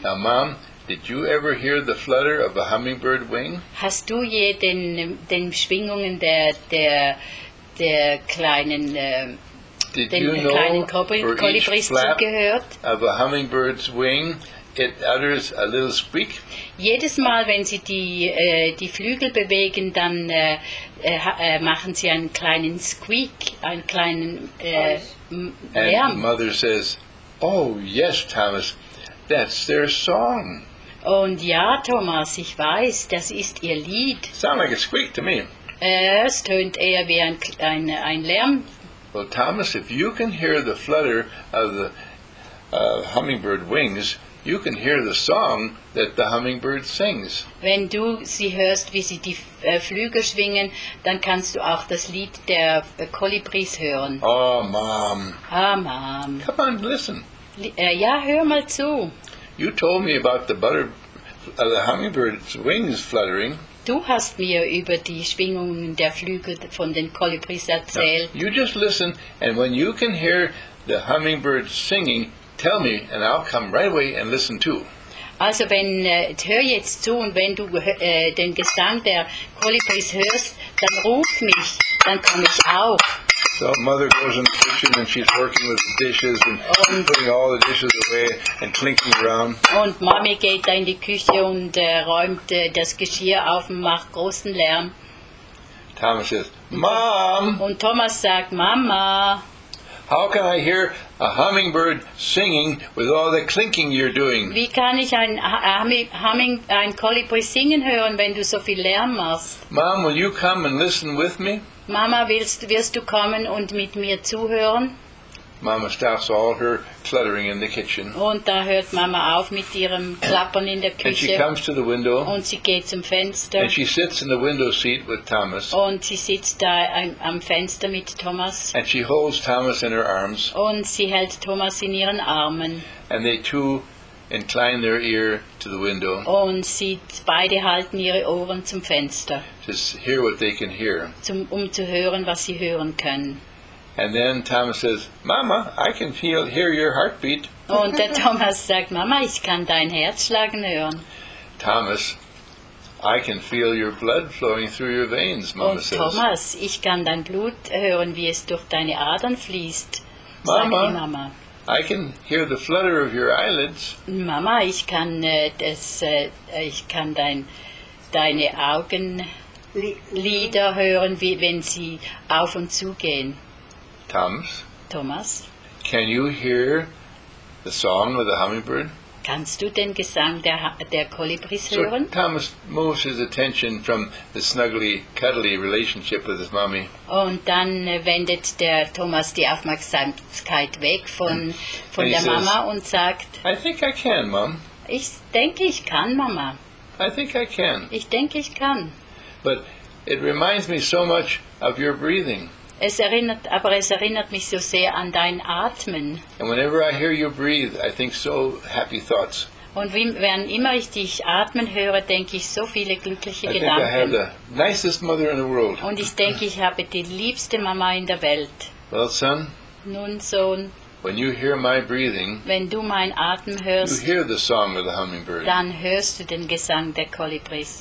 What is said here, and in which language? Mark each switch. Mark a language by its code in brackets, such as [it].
[en] "Now, Mom, did you ever hear the flutter of a hummingbird wing?" [de] Hast du je den Schwingungen der kleinen Kolibris zugehört? [en] Of a hummingbird's wing, it utters a little squeak. [de] Jedes Mal, wenn sie die Flügel bewegen, dann machen sie einen kleinen Squeak, einen kleinen Lärm. [en] And Mother says, "Oh yes, Thomas, that's their song." [de] Und ja, Thomas, ich weiß, das ist ihr Lied. [en] Sound like a squeak to me. [de] Es tönt eher wie ein Lärm. [en] "Well, Thomas, if you can hear the flutter of the hummingbird wings, you can hear the song that the hummingbird sings." [de] Wenn du sie hörst, wie sie die Flügel schwingen, dann kannst du auch das Lied der Kolibris hören. [en] "Oh, Mom." "Ah, Mom." "Come on, listen." [de] Ja, hör mal zu. [en] "You told me about the hummingbird's wings fluttering." [de] Du hast mir über die Schwingungen der Flügel von den Kolibris erzählt. [en] "Now, you just listen, and when you can hear the hummingbird singing, tell me, and I'll come right away and listen too." [de] Also, hör jetzt zu, und wenn du den Gesang der Kolibris hörst, dann ruf mich, dann komme ich auch. [en] So Mother goes in the kitchen and she's working with the dishes and putting all the dishes away and clinking around. [de] Und Mami geht da in die Küche und räumt das Geschirr auf und macht großen Lärm. [en] Thomas says, "Mom." [de] Und Thomas sagt, "Mama." [en] "How can I hear a hummingbird singing with all the clinking you're doing?" [de] Wie kann ich ein Kolibri singen hören, wenn du so viel Lärm machst? [en] "Mom, will you come and listen with me?" [de] Mama, wirst du kommen und mit mir zuhören? [en] Mama stops all her cluttering in the kitchen. [de] Und da hört Mama auf mit ihrem Klappern in der Küche. [en] And she comes to the window. [de] Und sie geht zum Fenster. [en] And she sits in the window seat with Thomas. [de] Und sie sitzt da am Fenster mit Thomas. [en] And she holds Thomas in her arms. [de] Und sie hält Thomas in ihren Armen. [en] And they two incline their ear to the window. [de] Und sie beide halten ihre Ohren zum Fenster. [en] To hear what they can hear. [de] Um zu hören, was sie hören können. [en] And then Thomas says, "Mama, I can hear your heartbeat." [de] Und der Thomas sagt, "Mama, ich kann dein Herzschlagen hören." [en] "Thomas, I can feel your blood flowing through your veins," Mama [de] Und [en] says. [de] Und Thomas, ich kann dein Blut hören, wie es durch deine Adern fließt. [en] "Mama, [de] sag die Mama, [en] I can hear the flutter of your eyelids." [de] Mama, ich kann deine Augenlider hören, wie wenn sie auf und zu gehen. [en] Thomas, can you hear the song of the hummingbird? [de] Kannst du den Gesang der Kolibris hören? [en] So Thomas moves his attention from the snuggly, cuddly relationship with his mommy. [de] Und dann wendet der Thomas die Aufmerksamkeit weg von der Mama, und sagt, [en] "I think I can, Mom." [de] Ich denke, ich kann, Mama. [en] "I think I can." [de] Ich denke, ich kann. [en] "But it reminds me so much of your breathing." [de] Aber es erinnert mich so sehr an dein Atmen. [en] And whenever I hear you breathe, I think so happy thoughts. [de] Und wenn immer ich dich atmen höre, denke ich so viele glückliche Gedanken. [en] I think I have the nicest mother in the world. [de] Und ich denke, ich habe die liebste Mama in der Welt. [en] Well, son. [de] Nun, Sohn. [en] When you hear my breathing, [de] wenn du mein Atem hörst, [en] you hear the song of the hummingbird. [de] Dann hörst du den Gesang der Kolibris.